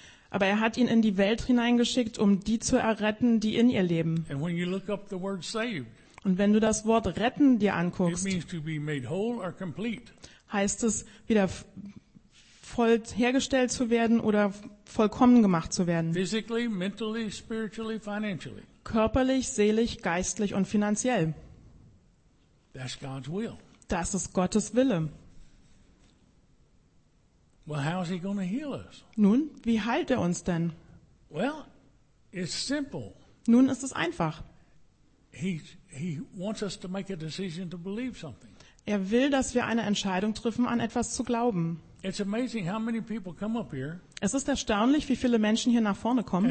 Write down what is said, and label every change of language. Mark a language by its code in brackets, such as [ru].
[de] Aber er hat ihn in die Welt hineingeschickt, um die zu erretten, die in ihr leben. [en] And when you look up the word saved, [de] und wenn du das Wort retten dir anguckst, [en] it means to be made whole or complete. [de] Heißt es, wieder voll hergestellt zu werden oder vollkommen gemacht zu werden. [en] Physically, mentally, spiritually, financially. [de] Körperlich, seelisch, geistlich und finanziell. [en] That's God's will. [de] Das ist Gottes Wille. [en] Well, how is he going to heal us? [de] Nun, wie heilt er uns denn? [en] Well, it's simple. [de] Nun ist es einfach. [en] He wants us to make a decision to believe something. [de] Er will, dass wir eine Entscheidung treffen, an etwas zu glauben. [en] It's amazing how many people come up here. [de] Es ist erstaunlich, wie viele Menschen hier nach vorne kommen.